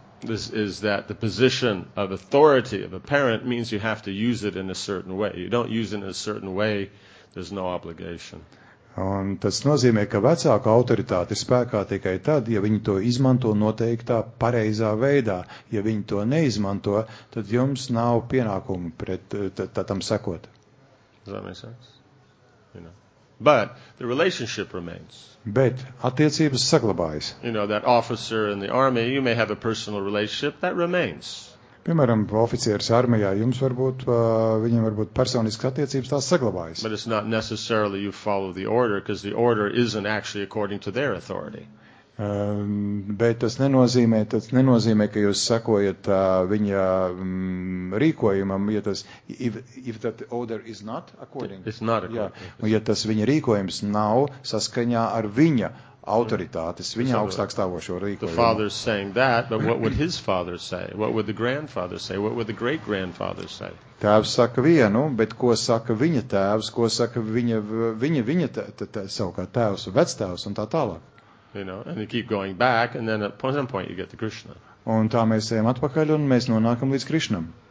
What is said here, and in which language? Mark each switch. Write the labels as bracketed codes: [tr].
[en] This is that the position of authority of a parent means you have to use it in a certain way. You don't use it in a certain way, there's no obligation. [lv] Un tas nozīmē, ka vecāka autoritāte ir spēkā tikai tad, ja viņi to izmanto noteiktā pareizā veidā. Ja viņi to neizmanto, tad jums nav pienākumu pret tam sekot. [en] Does that make sense? You know. But the relationship remains. [lv] Bet attiecības saglabājas. [en] You know, that officer in the army, you may have a personal relationship that remains. [lv] Piemēram, oficieris armijā, jums varbūt, viņam varbūt personiskas attiecības tās saglabājas. [en] But it's not necessarily you follow the order, because the order isn't actually according to their authority. [lv] Bet tas nenozīmē, ka jūs sekojat viņa rīkojumam, ja tas, [en] if that order is not according. It's not according. [lv] Jā, un ja tas viņa rīkojums nav saskaņā ar viņa autoritātes, viņa augstāk stāvošo rīkojumu. [en] The father is saying that, but what would his father say? What would the grandfather say? What would the great-grandfather say? [lv] Tēvs saka vienu, bet ko saka viņa tēvs, ko saka viņa savukārt tēvs, vectēvs un tā tālāk. [en] You know, and you keep going back, and then at some point you get to Krishna. [lv] Un tā mēs ejam atpakaļ, un mēs nonākam līdz Krišnam.